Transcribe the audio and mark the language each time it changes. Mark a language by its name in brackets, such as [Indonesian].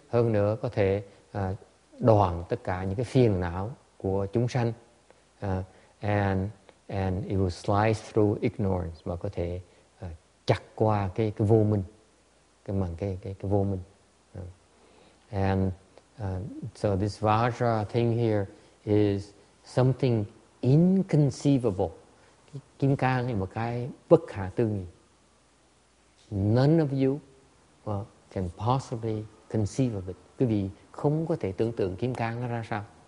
[Vietnamese] Hơn nữa có thể đoạn tất cả những cái phiền não của chúng sanh. [English] And it will slice through ignorance, [Vietnamese] và có thể chặt qua cái vô minh, cái màn cái vô minh. [English] So this Vajra thing here is something inconceivable. [Vietnamese] Kim cang là một cái bất khả tư nghị. [English] None of you can possibly conceive of it. [Vietnamese] Quý vị không có thể tưởng tượng kim cang nó ra sao.